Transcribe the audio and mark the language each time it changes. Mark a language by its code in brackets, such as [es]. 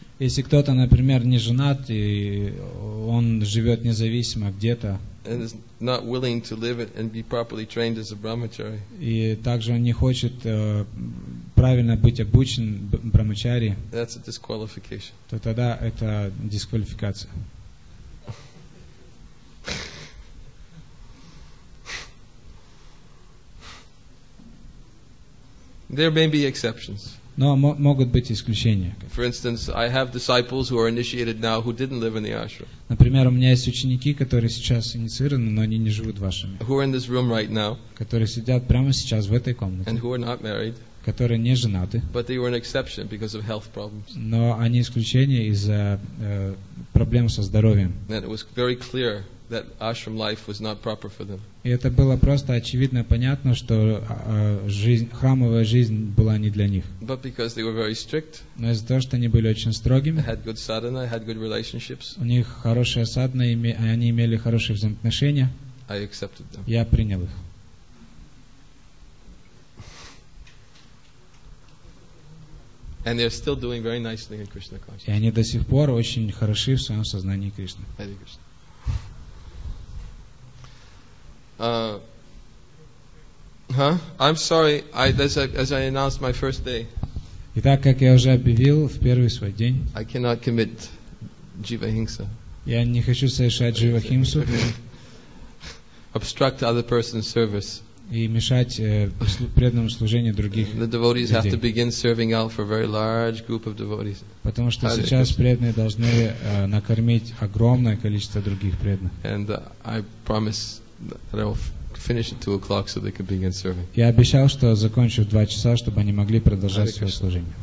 [ru] Если кто-то, например, не женат и он живет независимо где-то. [en] And is not willing to live it and be properly trained as a brahmachari. [ru] И также он не хочет правильно быть обучен брахмачари. [en] That's a disqualification. [ru] То тогда это дисквалификация. [en] There may be exceptions. [ru] Но могут быть исключения. [en] For instance, I have disciples who are initiated now who didn't live in the ashram. [ru] Например, у меня есть ученики, которые сейчас инициированы, но они не живут в ашраме. [en] Who are in this room right now? [ru] Которые сидят прямо сейчас в этой комнате. [en] And who are not married? [ru] Которые не женаты. [en] But they were an exception because of health problems. [ru] Но они исключение из-за проблем со здоровьем. [en] And it was very clear that ashram life was not proper for them. [ru] И это было просто очевидно понятно, что жизнь, храмовая жизнь была не для них. [en] But because they were very strict. [ru] Но из-за того, что они были очень строгими. [en] Had good sadhana, had good relationships. [ru] У них хорошая садхана, они имели хорошие взаимоотношения. [en] I accepted them. [ru] Я принял их. [en] And they're still doing very nicely in Krishna consciousness. [ru] И они до сих пор очень хороши в своем сознании Кришны. [en] Hare Krishna. I'm sorry. As I announced my first day. [ru] Итак, как я уже объявил в первый свой день. [en] I cannot commit jivahimsa. [ru] Я не хочу совершать jivahimsu. [en] Obstruct other person's service. [ru] И мешать преданному служению других людей. [en] The devotees have to begin serving out for a very large group of devotees. [ru] Потому что сейчас преданные должны накормить огромное количество других преданных. [en] And I promise that I will finish at 2 o'clock so they can begin serving. [ru] Я обещал, что закончу в 2 часа, чтобы они могли продолжать свое служение.